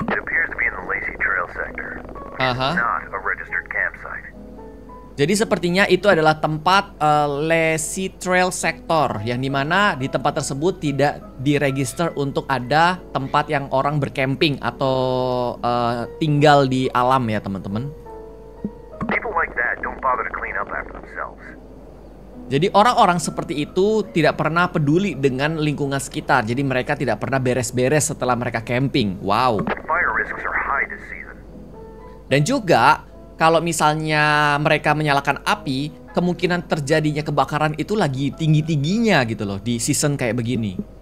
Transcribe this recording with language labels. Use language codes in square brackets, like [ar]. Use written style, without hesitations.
[en] It appears to be in the Lacey Trail sector. Aha. Not a registered campsite. [id] Jadi sepertinya itu adalah tempat Lesi Trail Sector, yang dimana di tempat tersebut tidak diregister untuk ada tempat yang orang berkemping atau tinggal di alam ya teman-teman. [en] People like that don't bother to clean up after themselves. [id] Jadi orang-orang seperti itu tidak pernah peduli dengan lingkungan sekitar. Jadi mereka tidak pernah beres-beres setelah mereka camping. Wow. [en] Fire risks are high this season. [id] Dan juga kalau misalnya mereka menyalakan api, kemungkinan terjadinya kebakaran itu lagi tinggi-tingginya gitu loh di season kayak begini.